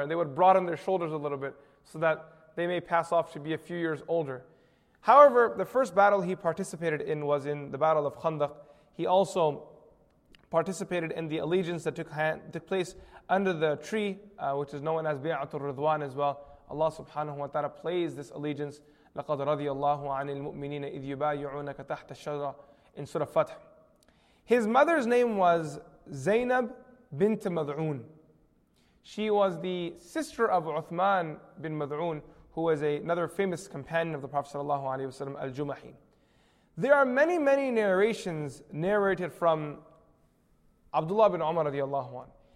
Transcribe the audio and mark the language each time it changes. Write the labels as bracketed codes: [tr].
[en] And they would broaden their shoulders a little bit so that they may pass off to be a few years older. However, the first battle he participated in was in the Battle of Khandaq. He also participated in the allegiance that took place under the tree, which is known as Bi'atul Ridwan as well, Allah subhanahu wa ta'ala plays this allegiance. [ar] لَقَدْ رَضِيَ اللَّهُ عَنِ الْمُؤْمِنِينَ إِذْ يُبَايِعُونَكَ تَحْتَ الشَّجَرَةِ [en] in Surah Fath. His mother's name was Zainab bint Mad'un. She was the sister of Uthman bin Mad'un, who was another famous companion of the Prophet sallallahu alayhi wa sallam, Al-Jumahi. There are many, many narrations narrated from Abdullah bin Umar radiallahu anhu.